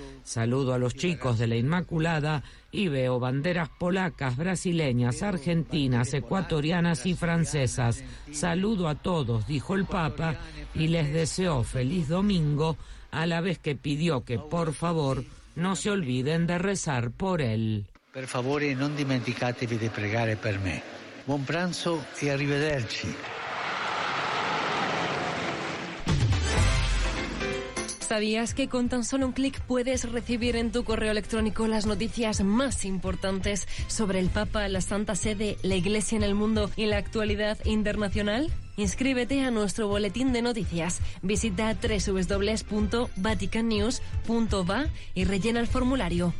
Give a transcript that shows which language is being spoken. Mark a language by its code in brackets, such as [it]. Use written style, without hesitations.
[es] Saludo a los chicos de la Inmaculada y veo banderas polacas, brasileñas, argentinas, ecuatorianas y francesas. Saludo a todos, dijo el Papa, y les deseo feliz domingo, a la vez que pidió que, por favor, no se olviden de rezar por él. [it] Per favore, non dimenticatevi di pregare per me. Buon pranzo e arrivederci. [es] ¿Sabías que con tan solo un clic puedes recibir en tu correo electrónico las noticias más importantes sobre el Papa, la Santa Sede, la Iglesia en el mundo y la actualidad internacional? Inscríbete a nuestro boletín de noticias. Visita www.vaticannews.va y rellena el formulario.